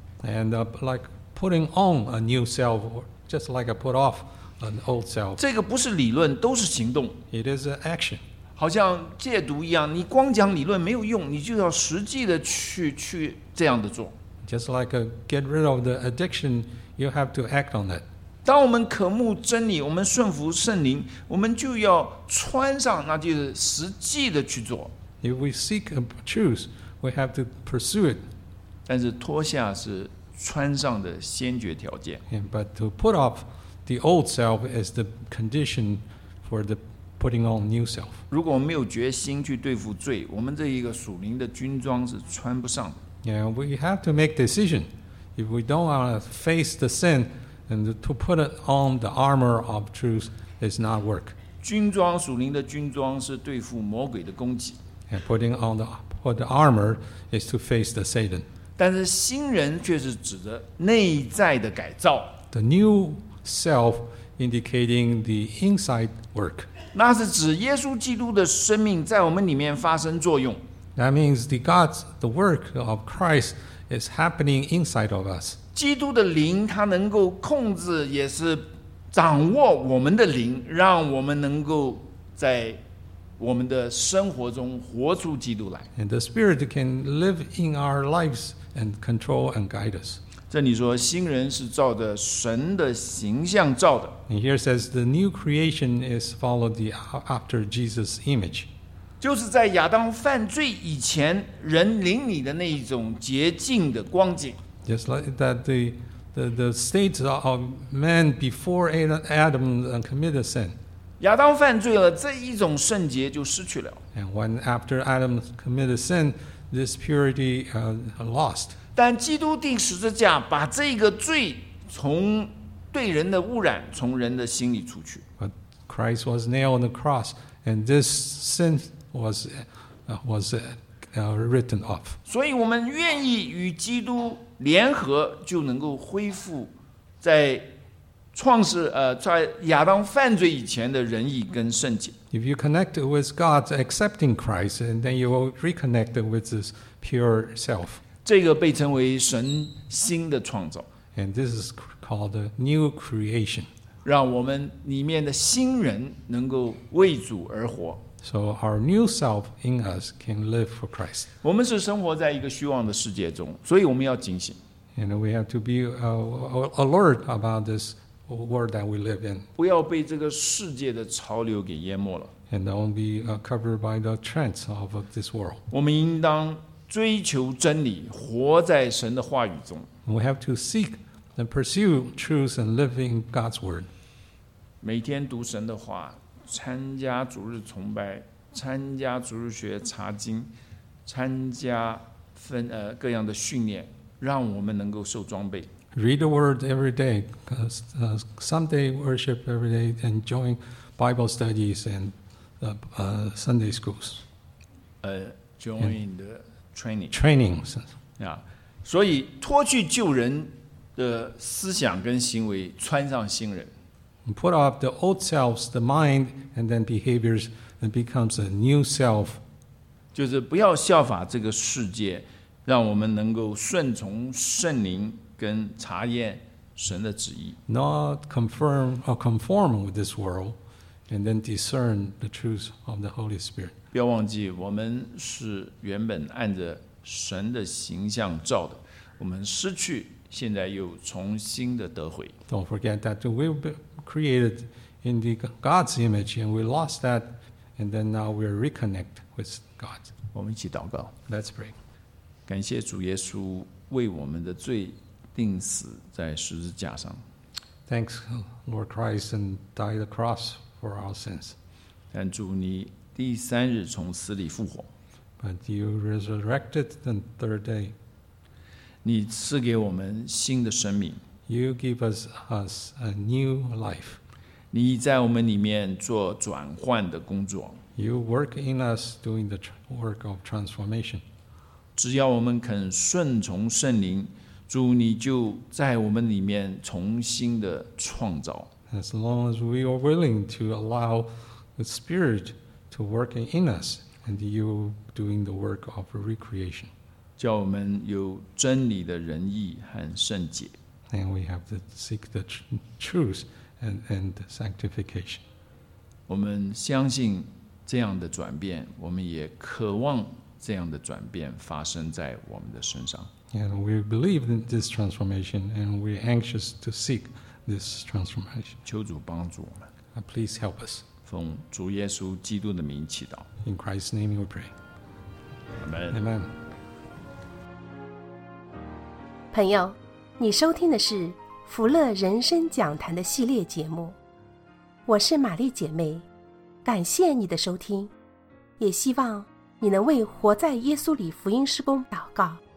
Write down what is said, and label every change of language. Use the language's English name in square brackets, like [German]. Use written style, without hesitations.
[English] And like putting on a new self, just like I put off an old self. [Chinese] 这个不是理论，都是行动。 [English] It is an action. [Chinese] 好像戒毒一样，你光讲理论没有用，你就要实际的去这样的做。 [English] Just like get rid of the addiction, You have to act on it. [Chinese] 当我们渴慕真理，我们顺服圣灵，我们就要穿上，那就是实际的去做。 [English] If we seek a truth, we have to pursue it. [Chinese] 但是脱下是穿上的先决条件。 [English] And but to put off the old self is the condition for the putting on new self. [Chinese] 如果我们没有决心去对付罪，我们这一个属灵的军装是穿不上的。 [English] Yeah, we have to make decision. If we don't want to face the sin, and to put it on the armor of truth is not work. [Chinese] 军装，属灵的军装是对付魔鬼的攻击。 [English] And putting on the armor is to face the Satan. [Chinese] 但是新人却是指着内在的改造。 [English] The new self indicating the inside work. [Chinese] 那是指耶稣基督的生命在我们里面发生作用。 [English] That means the work of Christ is happening inside of us. [Chinese] 基督的灵他能够控制也是掌握我们的灵，让我们能够在我们的生活中活出基督来。 [English] And the Spirit can live in our lives and control and guide us. [Chinese] 这里说新人是照着神的形象造的。 [English] And here says the new creation is followed after Jesus' image. [Chinese] 就是在亚当犯罪以前人灵里的那一种洁净的光景。 [English] Just like that the state of man before Adam committed sin. [Chinese] 亚当犯罪了，这一种圣洁就失去了。 [English] And when after Adam committed sin, this purity lost. [Chinese] 但基督钉十字架把这个罪从对人的污染从人的心里除去。 [English] But Christ was nailed on the cross, and this sinwas written off. [Chinese] 所以我们愿意与基督联合，就能够恢复在创世在亚当犯罪以前的仁义跟圣洁。 [English] If you connect with God accepting Christ, and then you will reconnect with this pure self. [Chinese] 这个被称为神新的创造。 [English] And this is called a new creation. [Chinese] 让我们里面的新人能够为主而活。 [English] So our new self in us can live for Christ. [Chinese] 我们是生活在一个虚妄的世界中，所以我们要警醒。 [English] And we have to be alert about this world that we live in. [Chinese] 不要被这个世界的潮流给淹没了。 [English] And don't be covered by the trends of this world. [Chinese] 我们应当追求真理，活在神的话语中。 [English] We have to seek and pursue truth and live in God's word. [Chinese] 每天读神的话。参加主日崇拜，参加主日学查经，参加各样的训练，让我们能够受装备。 [English] Read the word every day, Sunday worship every day, and join Bible studies and Sunday schools. Join the training. Trainings. Yeah. [Chinese] 所以脱去旧人的思想跟行为，穿上新人。 [English] And put off the old selves, the mind, and then behaviors, and becomes a new self. [Chinese] 就是不要效法这个世界，让我们能够顺从圣灵跟查验神的旨意。 [English] Not conform with this world, and then discern the truth of the Holy Spirit. [Chinese] 不要忘记，我们是原本按着神的形象造的，我们失去，现在又重新的得回。 [English] Don't forget that we will be. Created in the God's image, and we lost that, and then now we reconnect with God. [Chinese] 我们一起祷告。 [English] Let's pray. [Chinese] 感谢主耶稣为我们的罪钉死在十字架上。 [English] Thanks, Lord Christ, and died the cross for our sins. [Chinese] 但主你第三日从死里复活。 [English] But you resurrected the third day. [Chinese] 你赐给我们新的生命。 [English] You give us a new life. [Chinese] 你在我们里面做转换的工作。 [English] You work in us doing the work of transformation. [Chinese] 只要我们肯顺从圣灵，主你就在我们里面重新的创造。 [English] As long as we are willing to allow the Spirit to work in us, and you doing the work of recreation. [Chinese] 叫我们有真理的仁义和圣洁。 [English] And we have to seek the truth and sanctification. [Chinese] 我们相信这样的转变，我们也渴望这样的转变发生在我们的身上。 [English] And we believe in this transformation, and we're anxious to seek this transformation. [Chinese] 求主帮助我们。 [English] Please help us. [Chinese] 奉主耶稣基督的名祈祷。 [English] In Christ's name we pray. Amen. Amen. [Chinese] 朋友，你收听的是福乐人生讲坛的系列节目，我是玛丽姐妹，感谢你的收听，也希望你能为活在耶稣里福音事工祷告。